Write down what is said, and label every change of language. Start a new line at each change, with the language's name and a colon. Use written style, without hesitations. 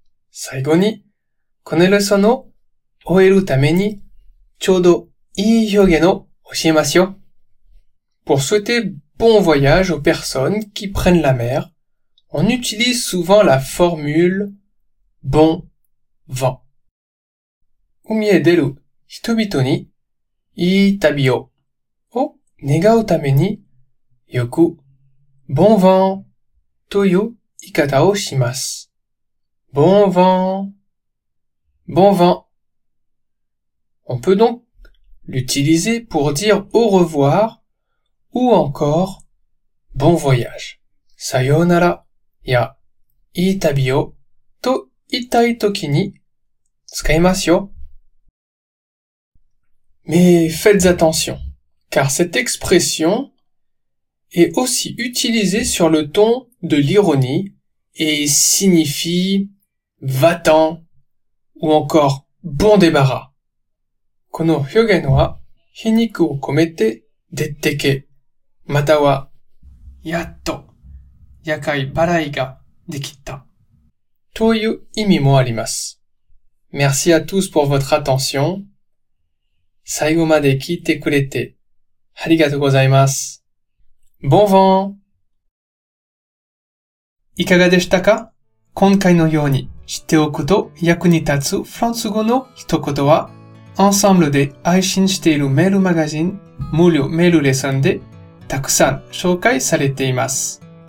Japanese: 最後に、このレッスンを終えるためにちょうどいい表現を教えますよ。
French: Pour souhaiter bon voyage aux personnes qui prennent la mer, on utilise souvent la formule bon vent.
Japanese: 海へ出る人々にいい旅をを願うためによく bon vent という言い方をします。
French: Bon vent, bon vent. On peut donc l'utiliser pour dire au revoir ou encore bon voyage.
Japanese: さようなら、や、いい旅を、と言いたいときに、使いますよ。
French: Mais faites attention, car cette expression est aussi utilisée sur le ton de l'ironie et signifie va-t'en ou encore bon débarras.
Japanese: この表現は皮肉を込めて出てけ、またはやっと厄介払いができたという意味もあります。
French: Merci à tous pour votre attention.
Japanese: 最後まで聞いてくれてありがとうございます。
French: Bon vent!
Japanese: いかがでしたか? 今回のように知っておくと役に立つフランス語の一言はEnsemble で配信しているメールマガジン無料メールレッスンでたくさん紹介されています。